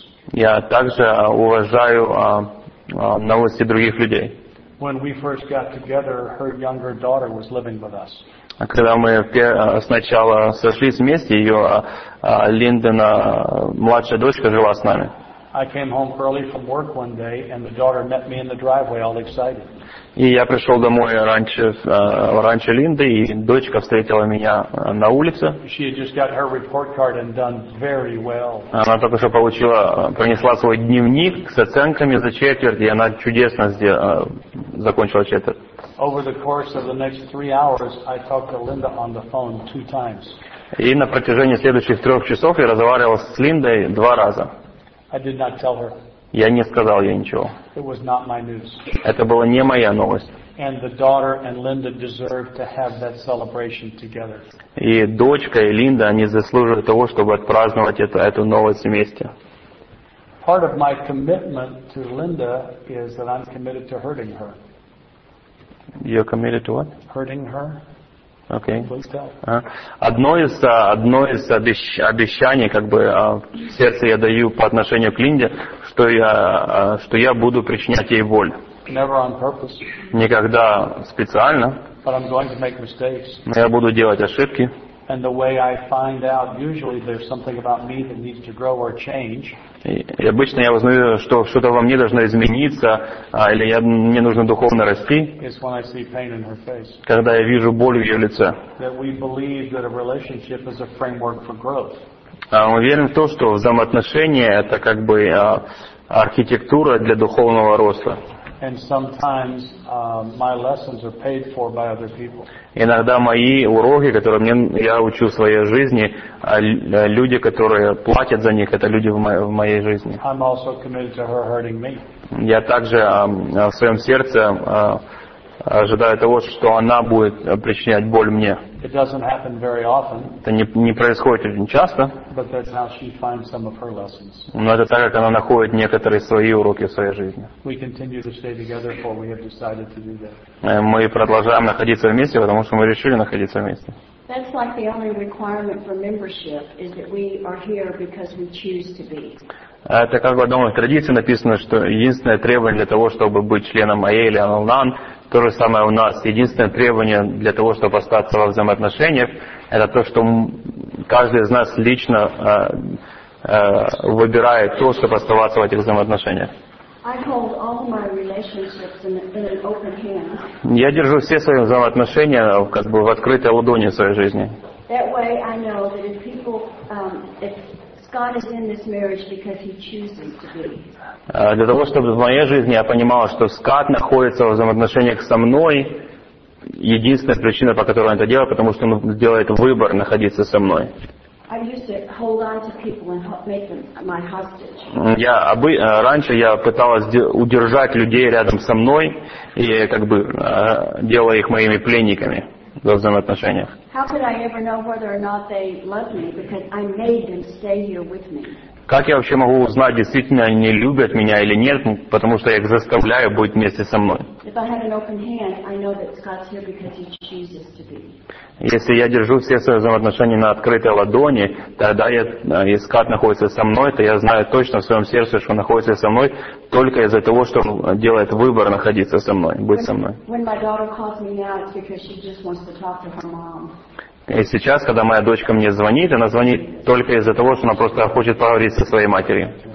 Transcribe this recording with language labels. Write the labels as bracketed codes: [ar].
[ru] Я также уважаю новости других людей. [en] When we first got together, her younger daughter was living with us. [ru] Когда мы сначала сошлись вместе, ее Линдена младшая дочка жила с нами. [en] I came home early from work one day, and the daughter met me in the driveway, all excited. [ru] И я пришел домой раньше Линды, и дочка встретила меня на улице. [en] She had just got her report card and done very well. [ru] Она только что принесла свой дневник с оценками за четверть, и она чудесно закончила четверть. [en] Over the course of the next 3 hours, I talked to Linda on the phone 2 times. [ru] И на протяжении следующих 3 часов я разговаривал с Линдой 2 раза. [en] I did not tell her. [ru] Я не сказал ей ничего. [en] It was not my news. [ru] Это была не моя новость. [en] And the daughter and Linda deserve to have that celebration together. [ru] И дочка и Линда, они заслуживают того, чтобы отпраздновать эту новость вместе. [en] Part of my commitment to Linda is that I'm committed to hurting her. You're committed to what? Hurting her. Okay. [ru] Одно из обещаний, как бы в сердце я даю по отношению к Линде, что я буду причинять ей боль. [en] Never on purpose. [ru] Никогда специально. [en] But I'm going to make mistakes. [ru] Но я буду делать ошибки. [en] And the way I find out, usually there's something about me that needs to grow or change. [ru] И обычно я узнаю, что что-то во мне должно измениться, или мне нужно духовно расти. [en] It's when I see pain in her face. [ru] Когда я вижу боль в ее лице. [en] That we believe that a relationship is a framework for growth. [ru] Мы верим в то, что взаимоотношения – это как бы архитектура для духовного роста. [en] And sometimes my lessons are paid for by other people. [ru] Иногда мои уроки, которые я учу в своей жизни, люди, которые платят за них, это люди в моей жизни. [en] I'm also committed to her hurting me. [ru] Я также в своем сердце ожидаю того, что она будет причинять боль мне. [en] It doesn't happen very often. [ru] Это не происходит очень часто. [en] But that's how she finds some of her lessons. [ru] Но это так, как она находит некоторые свои уроки в своей жизни. [en] We continue to stay together, for we have decided to do that. [ru] Мы продолжаем находиться вместе, потому что мы решили находиться вместе. [en] That's like the only requirement for membership is that we are here because we choose to be. [ru] Это как в одной традиции написано, что единственное требование для того, чтобы быть членом АА или Ал-Анон, то же самое у нас. Единственное требование для того, чтобы остаться во взаимоотношениях, это то, что каждый из нас лично выбирает то, чтобы оставаться в этих взаимоотношениях. [en] I hold all my relationships in an open hand. [ru] Я держу все свои взаимоотношения как бы в открытой ладони в своей жизни. [en] That way I know that if people, God is in this marriage because he chooses to be. [ru] Для того, чтобы в моей жизни я понимала, что Скат находится в взаимоотношениях со мной, единственная причина, по которой он это делает, потому что он делает выбор находиться со мной. [en] I used to hold on to people and make them my hostage. [ru] Раньше я пыталась удержать людей рядом со мной и как бы делая их моими пленниками. во взаимоотношениях. [en] How could I ever know whether or not they love me because I made them stay here with me? [ru] Как я вообще могу узнать, действительно они любят меня или нет, потому что я их заставляю быть вместе со мной? [en] If I had an open hand, I know that Scott's here because he chooses to be. [ru] Если я держу все свои взаимоотношения на открытой ладони, тогда я, и Скат находится со мной, то я знаю точно в своем сердце, что он находится со мной только из-за того, что он делает выбор находиться со мной, быть со мной. [en] When my daughter calls me now, it's because she just wants to talk to her mom. [ru] И сейчас, когда моя дочка мне звонит, она звонит только из-за того, что она просто хочет поговорить со своей матерью.